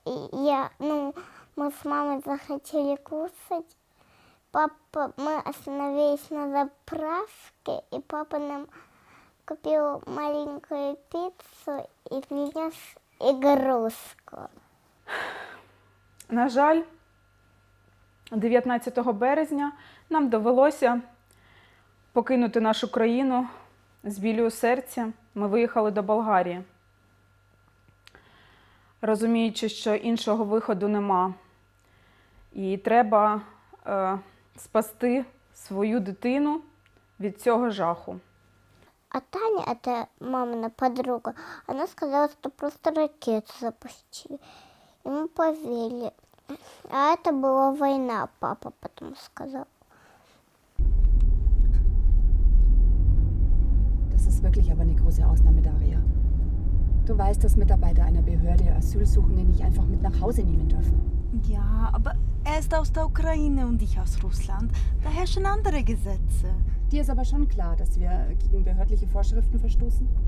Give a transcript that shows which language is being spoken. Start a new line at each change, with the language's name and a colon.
Russian: И я, ну, мы с мамой захотели кушать. Папа, мы остановились на заправке, и папа нам купил маленькую пиццу и принес игрушку.
Ukrainian: На жаль, 19 березня нам довелося покинути нашу країну З білю серця ми виїхали до Болгарії, розуміючи, що іншого виходу нема. І треба спасти свою дитину від цього жаху. А Таня, це мамина подруга, вона сказала, що просто ракету запустили. І ми повірили. А це була війна, папа потім сказав.
German: Das ist wirklich aber eine große Ausnahme, Daria. Du weißt, dass Mitarbeiter einer Behörde Asylsuchende nicht einfach mit nach Hause nehmen dürfen. Ja, aber er ist aus der Ukraine und ich aus Russland. Da herrschen andere Gesetze. Dir ist aber schon klar, dass wir gegen behördliche Vorschriften verstoßen?